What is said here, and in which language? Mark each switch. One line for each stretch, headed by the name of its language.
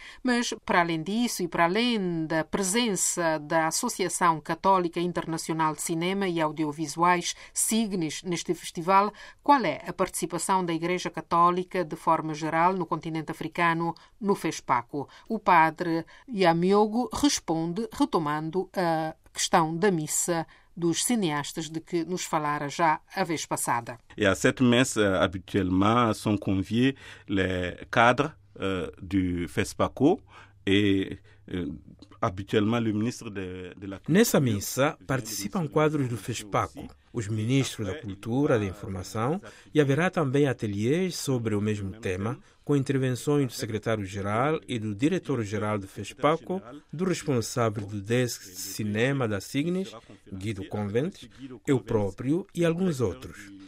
Portuguese: Mas, para além disso e para além da presença da Associação Católica Internacional de Cinema e Audiovisuais, SIGNIS, neste festival, qual é a participação da Igreja Católica, de forma geral, no continente africano, no FESPACO? O padre Yamiogo responde, retomando a questão da missa dos cineastas de que nos falara já a vez passada.
French: E à cette messe, habituellement, sont conviés les cadres du FESPACO et habituellement le ministre de la Culture.
Portuguese: Nessa missa participam quadros do FESPACO, os ministros da Cultura, da Informação, e haverá também ateliês sobre o mesmo tema, com intervenções do secretário-geral e do diretor-geral do FESPACO, do responsável do Desk de Cinema da SIGNIS, Guido Conventes, eu próprio e alguns outros.